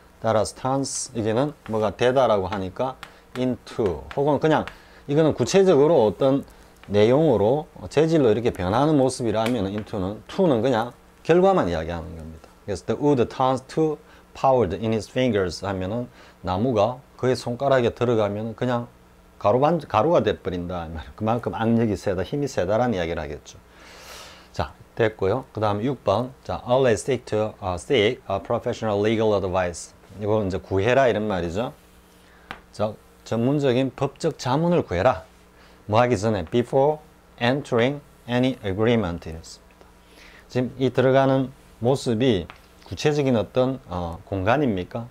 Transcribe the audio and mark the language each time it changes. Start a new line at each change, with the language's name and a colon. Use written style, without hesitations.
Korean: 따라서 trans 이게는 뭐가 되다라고 하니까 into 혹은 그냥 이거는 구체적으로 어떤 내용으로 재질로 이렇게 변하는 모습이라면 into는 to는 그냥 결과만 이야기하는 겁니다. 그래서 the wood turns to powdered in his fingers 하면은 나무가 그의 손가락에 들어가면 그냥 가루가 돼버린다. 그만큼 악력이 세다, 힘이 세다라는 이야기를 하겠죠. 자, 됐고요. 그 다음 6번.
English: 자, always stick to seek a professional legal advice.
Korean: 이건 이제 구해라 이런 말이죠. 자, 전문적인 법적 자문을 구해라. 뭐 하기 전에 before entering any agreement 이랬습니다. 지금 이 들어가는 모습이 구체적인 어떤 공간입니까?